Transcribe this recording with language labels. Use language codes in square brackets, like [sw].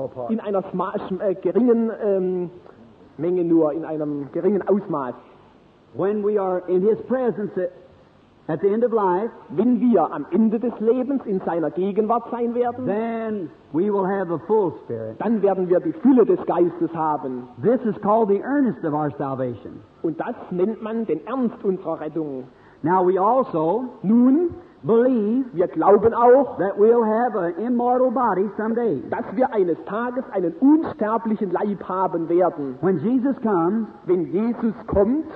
[de] In einer geringen Menge nur, in einem geringen Ausmaß. [en] When we are in His presence. At the end of life, [de] wenn wir am Ende des Lebens in seiner Gegenwart sein werden, [en] then we will have the full spirit. [de] Dann werden wir die Fülle des Geistes haben. [en] This is called the earnest of our salvation. [de] Und das nennt man den Ernst unserer Rettung. [en] Now we also, [de] nun, [en] believe, [de] wir glauben auch, [en] that we'll have an immortal body someday. [de] Dass wir eines Tages einen unsterblichen Leib haben werden. [en] When Jesus comes, [de] wenn Jesus kommt,